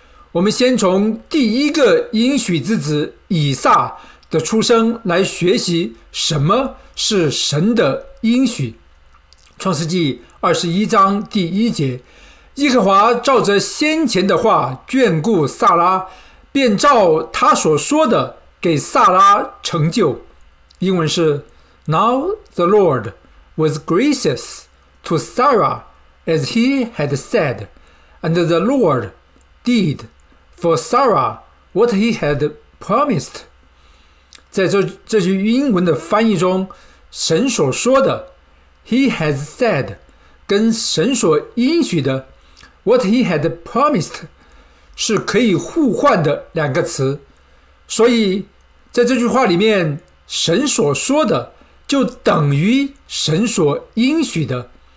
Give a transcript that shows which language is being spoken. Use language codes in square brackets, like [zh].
[zh] 我们先从第一个应许之子以撒的出生来学习什么是神的应许。创世纪21:1，耶和华照着先前的话眷顾撒拉，便照他所说的给撒拉成就。英文是 [en] Now the Lord was gracious to Sarah as he had said, and the Lord did for Sarah what he had promised。 [zh] 在 这句英文的翻译中，神所说的 [en] He has said [zh] 跟神所应许的 [en] what he had promised [zh] 是可以互换的两个词。所以在这句话里面，神所说的就等于神所应许的。